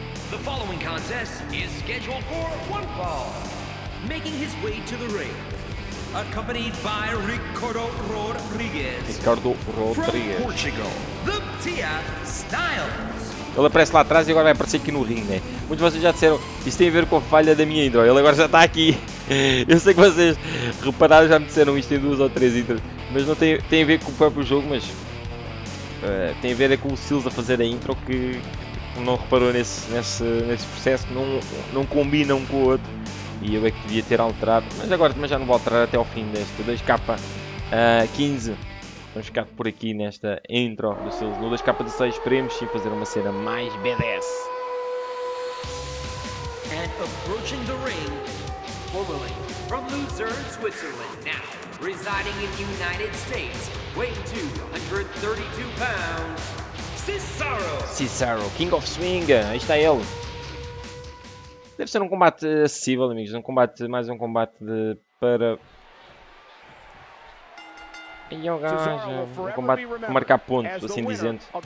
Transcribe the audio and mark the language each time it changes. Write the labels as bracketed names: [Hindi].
[English] The following contest is scheduled for one fall, making his way to the ring, accompanied by Ricardo Rodriguez. Ricardo Rodriguez. From Portugal, the Tia Styles. [Portuguese] Ele aparece lá atrás e agora vai aparecer aqui no ring, né? Muitos de vocês já disseram, isso tem a ver com a falha da minha intro. Ele agora já está aqui. Eu sei que vocês repararam, já me disseram isto em duas ou três intros. Mas não tem a ver com o próprio jogo, mas tem a ver é com o Sils a fazer a intro, que não reparou nesse processo, não combina um com o outro. E eu é que devia ter alterado, mas agora também já não vou alterar até ao fim deste 2K15. Vamos ficar por aqui nesta intro do Sils. No 2K16 esperemos sim fazer uma cena mais badass. [English] And approaching the ring, following from Luzern, Switzerland, now residing in the United States, weighing 232 pounds, Cesaro. [Portuguese] Cesaro, King of Swing, aí está ele. Deve ser um combate acessível, amigos, um combate, mais um combate de para... E o gajo, um combate para marcar ponto, assim dizendo.